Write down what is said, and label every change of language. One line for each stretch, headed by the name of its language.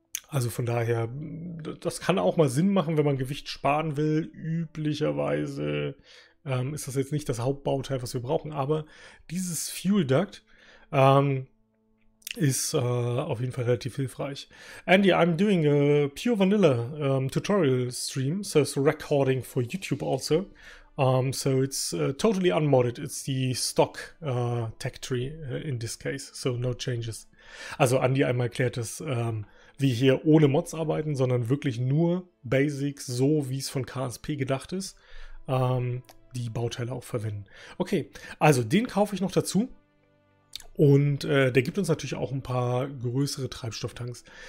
German: Also von daher, das kann auch mal Sinn machen, wenn man Gewicht sparen will. Üblicherweise ist das jetzt nicht das Hauptbauteil, was wir brauchen. Aber dieses Fuel Duct ist auf jeden Fall relativ hilfreich.
English: Andy, I'm doing a pure vanilla tutorial stream, so it's recording for YouTube also. So it's totally unmodded, it's the stock tech tree in this case, so no changes.
German: Also Andy einmal erklärt, dass wir hier ohne Mods arbeiten, sondern wirklich nur Basics, so wie es von KSP gedacht ist, die Bauteile auch verwenden. Okay, also den kaufe ich noch dazu. Und der gibt uns natürlich auch ein paar größere Treibstofftanks.